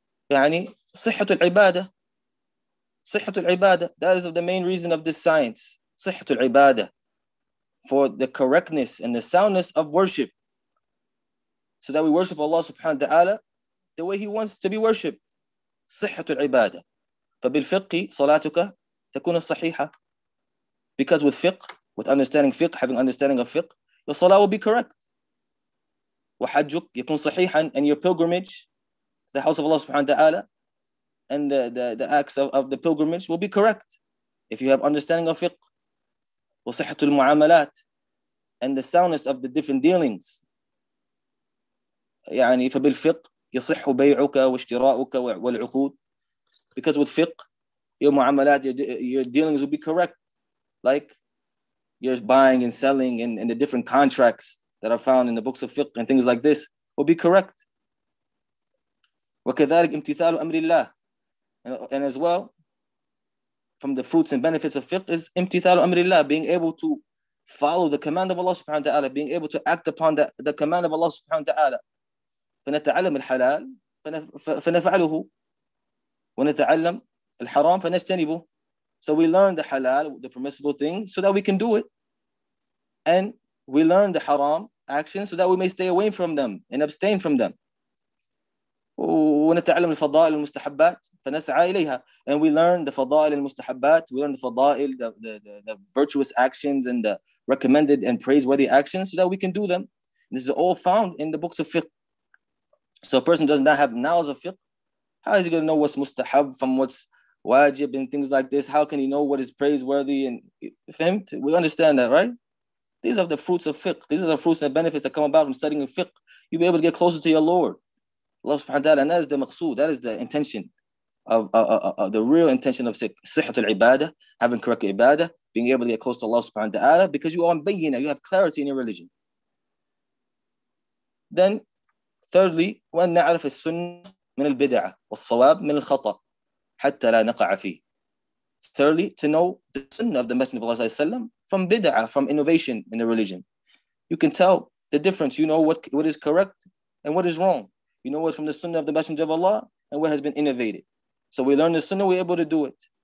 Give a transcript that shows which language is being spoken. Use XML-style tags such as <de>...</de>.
<ar>يعني صحة العبادة. صحة العبادة,</ar> <en>that is the main reason of this science. صحة العبادة, for the correctness and the soundness of worship, so that we worship Allah subhanahu wa ta'ala the way He wants to be worshipped.</en> <ar>صحة العبادة. فبالفقه صلاتك تكون صحيحة.</ar> <en>Because with fiqh, with understanding fiqh, having understanding of fiqh, your salah will be correct.</en> <ar>وحجك يكون صحيحاً,</ar> <en>and your pilgrimage, the house of Allah subhanahu wa ta'ala, and the acts of the pilgrimage will be correct if you have understanding of fiqh.</en> <ar>وصحة المعاملات,</ar> <en>and the soundness of the different dealings.</en> <ar>يعني فبالفقه يصح بيعك واشتراؤك والعقود.</ar> <en>Because with fiqh, your معاملات, your dealings will be correct. Like you're buying and selling and the different contracts that are found in the books of fiqh and things like this will be correct.</en> <ar>وكذلك امتثال أمر الله.</ar> <en>And as well, from the fruits and benefits of fiqh is</en> <ar>امتثال أمر الله,</ar> <en>being able to follow the command of Allah subhanahu wa ta'ala, being able to act upon the command of Allah subhanahu wa ta'ala.</en> <ar>فنتعلم الحلال فنفعله ونتعلم الحرام فنجتنبه.</ar> <en>So we learn the halal, the permissible thing, so that we can do it. And we learn the haram actions so that we may stay away from them and abstain from them.</en> <ar>ونتعلم الفضائل المستحبات فنسعى إليها.</ar> <en>And we learn the</en> <ar>فضائل المستحبات,</ar> <en>we learn the فضائل, the virtuous actions and the recommended and praiseworthy actions so that we can do them. This is all found in the books of fiqh. So a person does not have knowledge of fiqh, how is he going to know what's mustahab from what's wajib and things like this? How can he know what is praiseworthy? And fahimt? We understand that, right? These are the fruits of fiqh. These are the fruits and benefits that come about from studying fiqh. You'll be able to get closer to your Lord. Allah subhanahu wa ta'ala, and that is the maqsood. That is the intention of the real intention of fiqh. Sihhat al-ibadah, having correct ibadah, being able to get close to Allah subhanahu wa ta'ala, because you are bayyinah, you have clarity in your religion. Then, thirdly,</en> <ar>وَأَن نَعْرَفِ السُنَّةِ من البدعة والصواب من الخطأ حتى لا نقع فيه.</ar> <en>Thirdly, to know the sunnah of the Messenger of Allah from bid'ah, from innovation in the religion. You can tell the difference. You know what is correct and what is wrong. You know what's from the sunnah of the Messenger of Allah and what has been innovated. So we learn the sunnah, we're able to do it.</en>